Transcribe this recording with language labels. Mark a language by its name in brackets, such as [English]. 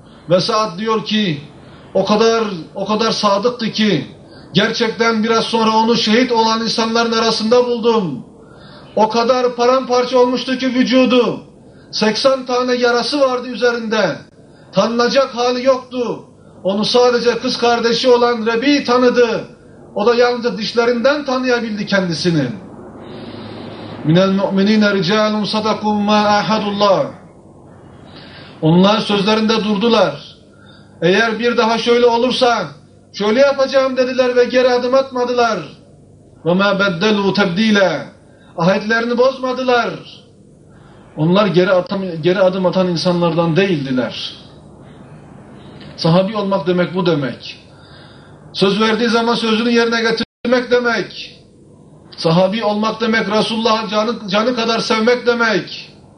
[Turkish] Ve Sa'd diyor ki o kadar sadıktı ki gerçekten biraz sonra onu şehit olan insanların arasında buldum. O kadar paramparça olmuştu ki vücudu. 80 tane yarası vardı üzerinde. Tanınacak hali yoktu. Onu sadece kız kardeşi olan Rebi tanıdı. O da yalnızca dişlerinden tanıyabildi kendisini. [Arabic] مِنَ الْمُؤْمِن۪ينَ رِجَالٌ صَدَقُوا مَا اَحَدُ اللّٰهِ [Turkish] Onlar sözlerinde durdular. Eğer bir daha şöyle olursa, şöyle yapacağım dediler ve geri adım atmadılar. [Arabic] وَمَا بَدَّلُوا تَبْد۪يلًا [Turkish] Ahitlerini bozmadılar. Onlar geri adım atan insanlardan değildiler. Sahabi olmak demek bu demek. Söz verdiği zaman sözünü yerine getirmek demek. Sahabi olmak demek, Resulullah'ı canı kadar sevmek demek.